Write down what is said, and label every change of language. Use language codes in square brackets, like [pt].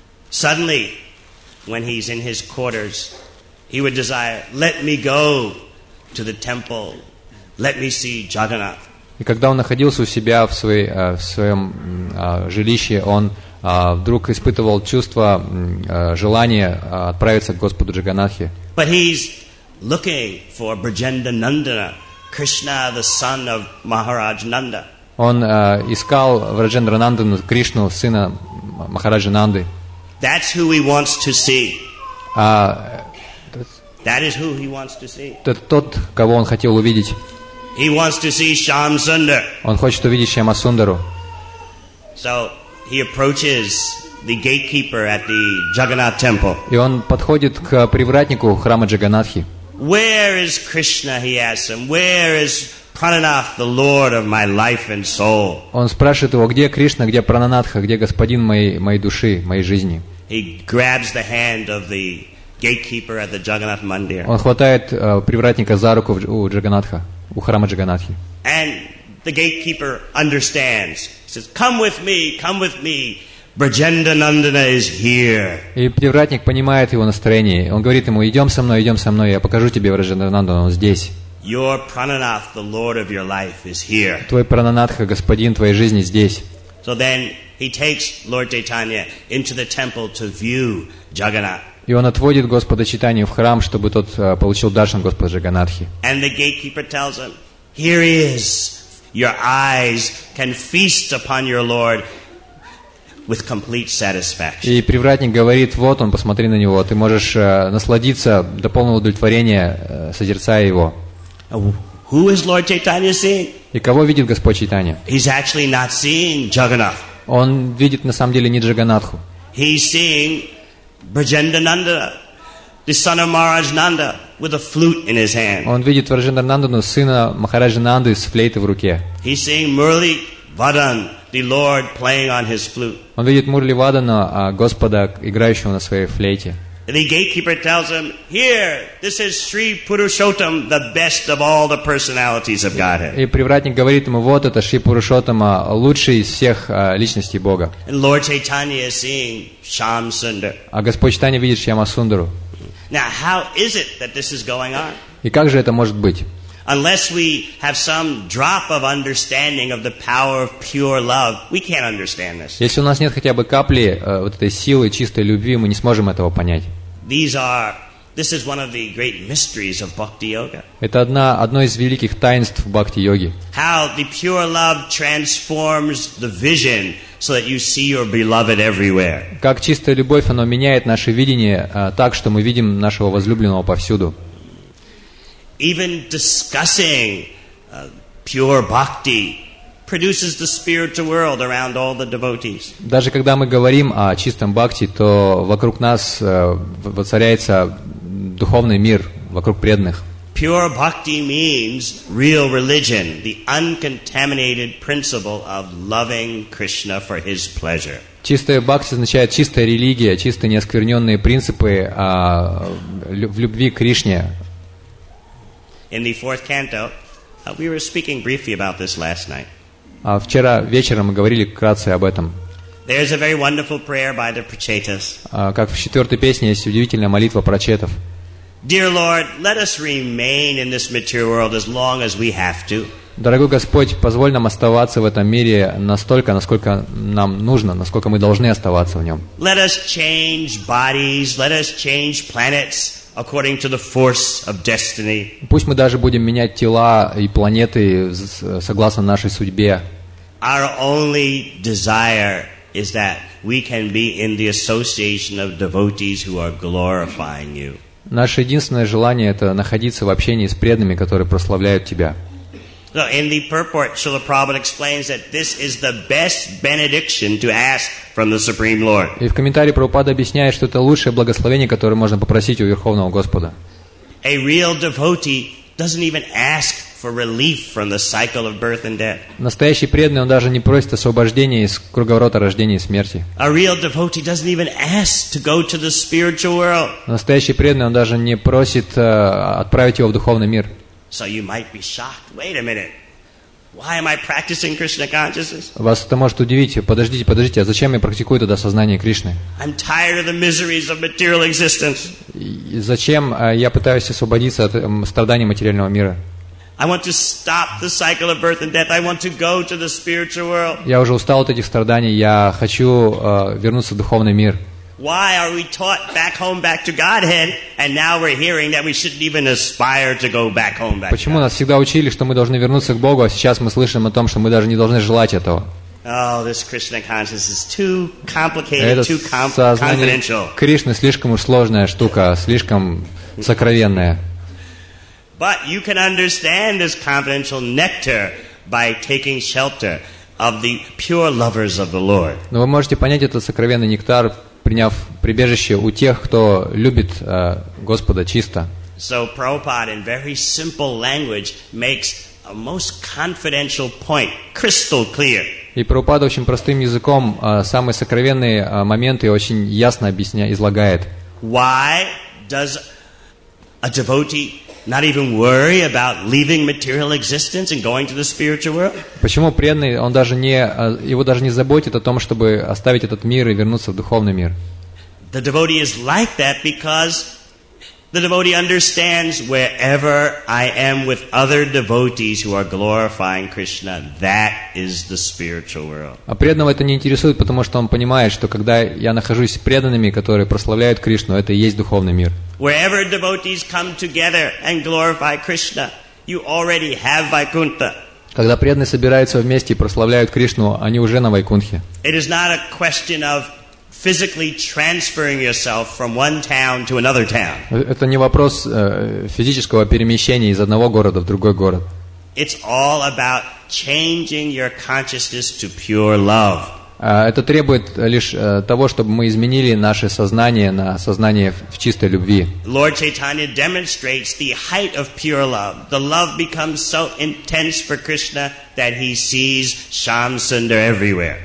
[en] Suddenly, when he's in his quarters, he would desire, "Let me go to the temple. Let me see Jagannath." [ru] И когда он находился у себя в своем жилище, он вдруг испытывал чувство, желание отправиться к Господу Джаганнатхе. [en] But he's looking for Brajendra Nandana, Krishna, the son of Maharaj Nanda. [ru] Он искал Враджендра Нандану, Кришну, сына Махараджа Нанды. [en] That's who he wants to see. That is who he wants to see. [ru] Это тот, кого он хотел увидеть. [en] He wants to see Shyam Sundar. [ru] Он хочет увидеть Шьяма Сундару. [en] So he approaches the gatekeeper at the Jagannath temple. [ru] И он подходит к привратнику храма Джаганнатхи. [en] Where is Krishna? He asks him. Where is Prananath, the Lord of my life and soul? [ru] Он спрашивает его, где Кришна, где Прананатха, где господин моей души, моей жизни. [en] He grabs the hand of the gatekeeper at the Jagannath Mandir. [ru] Он хватает привратника за руку у Джаганнатха. У храма Джаганнатхи. [en] And the gatekeeper understands. He says, "Come with me, come with me. Brajendra Nandana is here." [ru] И привратник понимает его настроение. Он говорит ему: "Идем со мной, идем со мной. Я покажу тебе Брajendra Nandana. Он здесь." [en] Your Prananath, the Lord of your life, is here. [ru] Твой Прананатха, господин твоей жизни, здесь. [en] So then he takes Lord Chaitanya into the temple to view Jagannath. [ru] И он отводит Господа Чайтанью в храм, чтобы тот получил даршан Господа Джаганнатхи. [en] And the gatekeeper tells him, "Here he is. Your eyes can feast upon your Lord with complete satisfaction." [ru] И привратник говорит: "Вот он, посмотри на него. Ты можешь насладиться до полного удовлетворения, созерцая его." [en] Who is Lord Chaitanya seeing? [ru] И кого видит Господь Чайтанья? [en] He's actually not seeing Jagannath. [ru] Он видит на самом деле не Джаганнатху. [en] He's seeing Brajendra Nandana, the son of Maharaj Nanda, with a flute in his hand. [ru] Он видит Враджендра Нандану, сына Махараджа Нанды, с флейтой в руке. [en] He's seeing Murli Vadan, the Lord, playing on his flute. [ru] Он видит Мурли Вадана, Господа, играющего на своей флейте. [en] The gatekeeper tells him, "Here, this is Sri Purushottam, the best of all the personalities of Godhead." [ru] И привратник говорит ему: "Вот это Шри Пурушоттама, лучший из всех личностей Бога." [en] And Lord Chaitanya is seeing Shyam Sundar. [ru] А Господь Чайтанья видит Шьяма Сундару. [en] Now, how is it that this is going on? [ru] И как же это может быть? [en] Unless we have some drop of understanding of the power of pure love, we can't understand this. [ru] Если у нас нет хотя бы капли вот этой силы чистой любви, мы не сможем этого понять. [en] This is one of the great mysteries of Bhakti Yoga. [ru] Это одно из великих таинств Бхакти Йоги. [en] How the pure love transforms the vision so that you see your beloved everywhere. [ru] Как чистая любовь, она меняет наше видение так, что мы видим нашего возлюбленного повсюду. [en] Even discussing pure bhakti produces the spiritual world around all the devotees. [ru] Даже когда мы говорим о чистом бхакти, то вокруг нас воцаряется духовный мир вокруг преданных. [en] Pure bhakti means real religion, the uncontaminated principle of loving Krishna for His pleasure. [ru] Чистая бхакти означает чистая религия, чистые неоскверненные принципы в любви к Кришне. [en] In the fourth canto, we were speaking briefly about this last night. [ru] Вчера вечером мы говорили вкратце об этом. [en] There is a very wonderful prayer by the Prachetas. [ru] Как в четвертой песне есть удивительная молитва Прачетов. [en] Dear Lord, let us remain in this material world as long as we have to. [ru] Дорогой Господь, позволь нам оставаться в этом мире настолько, насколько нам нужно, насколько мы должны оставаться в нем. [en] Let us change bodies, let us change planets according to the force of destiny. [ru] Пусть мы даже будем менять тела и планеты согласно нашей судьбе. [en] Our only desire is that we can be in the association of devotees who are glorifying you. [ru] Наше единственное желание — это находиться в общении с преданными, которые прославляют Тебя. [en] So in the purport, Srila Prabhupada explains that this is the best benediction to ask from the Supreme Lord. [ru] И в комментарии Прабхупада объясняет, что это лучшее благословение, которое можно попросить у Верховного Господа. [en] A real devotee doesn't even ask for relief from the cycle of birth and death. [ru] Настоящий преданный, он даже не просит освобождения из круговорота рождения и смерти. [en] A real devotee doesn't even ask to go to the spiritual world. [ru] Настоящий преданный, он даже не просит отправить его в духовный мир. [en] So you might be shocked. Wait a minute. Why am I practicing Krishna consciousness? [ru] Вас это может удивить. Подождите, подождите. А зачем я практикую тогда сознание Кришны? [en] I'm tired of the miseries of material existence. [ru] Зачем я пытаюсь освободиться от страданий материального мира? [en] I want to stop the cycle of birth and death. I want to go to the spiritual world. [ru] Я уже устал от этих страданий. Я хочу вернуться в духовный мир. [en] Why are we taught back home back to Godhead, and now we're hearing that we shouldn't even aspire to go back home back? [ru] Почему нас всегда учили, что мы должны вернуться к Богу, а сейчас мы слышим о том, что мы даже не должны желать этого? [en] Oh, this Krishna consciousness is too complicated, too confidential. [ru] Кришна слишком уж сложная штука, слишком сокровенная. [en] But you can understand this confidential nectar by taking shelter of the pure lovers of the Lord. [ru] Но вы можете понять этот сокровенный нектар, приняв прибежище у тех, кто любит Господа чисто. [en] So Prabhupada in very simple language makes a most confidential point crystal clear. [ru] И Прабхупада очень простым языком самые сокровенные моменты очень ясно объясняет, излагает. [en] Why does a devotee not even worry about leaving material existence and going to the spiritual world? [ru] Почему преданный, он даже не, его даже не заботит о том, чтобы оставить этот мир и вернуться в духовный мир? [en] The devotee is like that because the devotee understands wherever I am with other devotees who are glorifying Krishna, that is the spiritual world. [ru] А преданного это не интересует, потому что он понимает, что когда я нахожусь с преданными, которые прославляют Кришну, это и есть духовный мир. [en] Wherever devotees come together and glorify Krishna, you already have Vaikuntha. [ru] Когда преданные собираются вместе и прославляют Кришну, они уже на Вайкунтхе. [en] It is not a question of physically transferring yourself from one town to another town. [ru] Это не вопрос физического перемещения из одного города в другой город. [en] It's all about changing your consciousness to pure love. [ru] Это требует лишь того, чтобы мы изменили наше сознание на сознание в чистой любви. [en] Lord Chaitanya demonstrates the height of pure love. The love becomes so intense for Krishna that he sees Shamsundar everywhere.